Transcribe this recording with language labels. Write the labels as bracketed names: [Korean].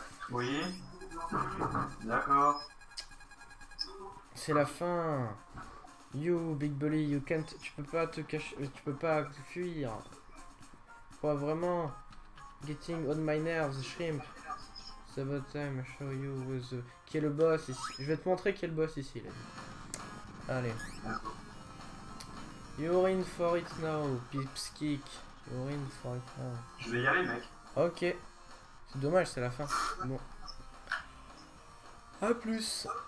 [French] Oui, d'accord. C'est la fin. [English] You big bully, you can't. [French] Tu peux pas te cacher, tu peux pas fuir. Quoi vraiment? [English] Getting on my nerves, shrimp. It's about time I show you who is the... [French] qui est le boss ici. Je vais te montrer qui est le boss ici. Là. Allez. [English] You're in for it now, Pipskick. You're in for it now. [French] Je vais y aller, mec. Ok. C'est dommage, c'est la fin. Bon. A plus.